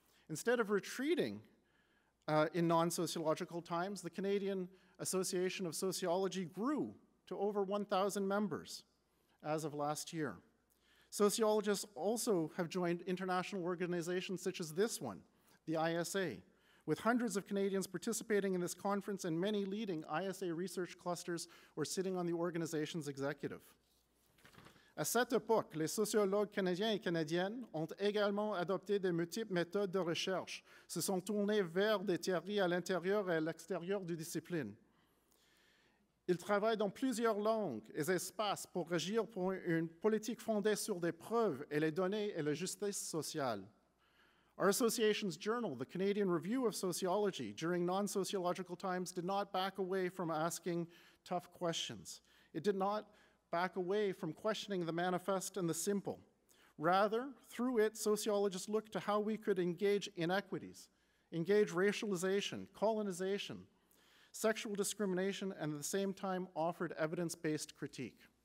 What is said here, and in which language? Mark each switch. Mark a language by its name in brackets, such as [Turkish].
[English] Instead of retreating in non-sociological times, the Canadian Association of Sociology grew to over 1,000 members as of last year. Sociologists also have joined international organizations such as this one, the ISA, with hundreds of Canadians participating in this conference and many leading ISA research clusters or sitting on the organization's executive. [French] À cette époque, les sociologues canadiens et canadiennes ont également adopté de multiples méthodes de recherche, se sont tournés vers des théories à l'intérieur et à l'extérieur du discipline. Ils travaillent dans plusieurs langues et espaces pour agir pour une politique fondée sur des preuves et les données et la justice sociale. [English] Our association's journal, the Canadian Review of Sociology, during non-sociological times, did not back away from asking tough questions. It did not back away from questioning the manifest and the simple. Rather, through it, sociologists looked to how we could engage inequities, engage racialization, colonization, sexual discrimination, and at the same time offered evidence-based critique.